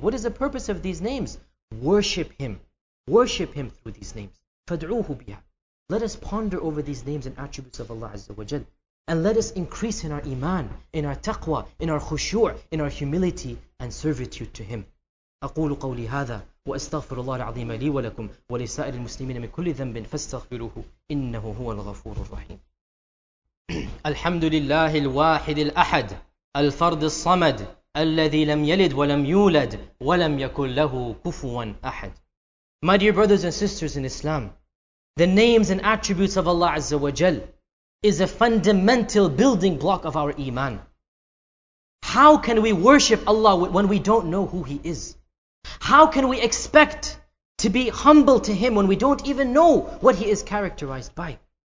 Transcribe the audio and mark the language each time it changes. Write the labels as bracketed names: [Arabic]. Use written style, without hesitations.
[English] What is the purpose of these names? Worship Him. Worship Him through these names. [Arabic] فَادْعُوهُ بِهَا. [English] Let us ponder over these names and attributes of Allah Azza wa Jal. And let us increase in our iman, in our taqwa, in our khushu', in our humility and servitude to Him. [Arabic] أقول قولي هذا وأستغفر الله العظيم لي ولكم ولسائر المسلمين من كل ذنب فاستغفروه إنه هو الغفور الرحيم. الحمد لله الواحد الأحد الفرد الصمد الذي لم يلد ولم يولد ولم يكن له كفوا أحد. [English] My dear brothers and sisters in Islam, the names and attributes of Allah Azza wa Jal is a fundamental building block of our iman. How can we worship Allah when we don't know who He is? How can we expect to be humble to Him when we don't even know what He is characterized by?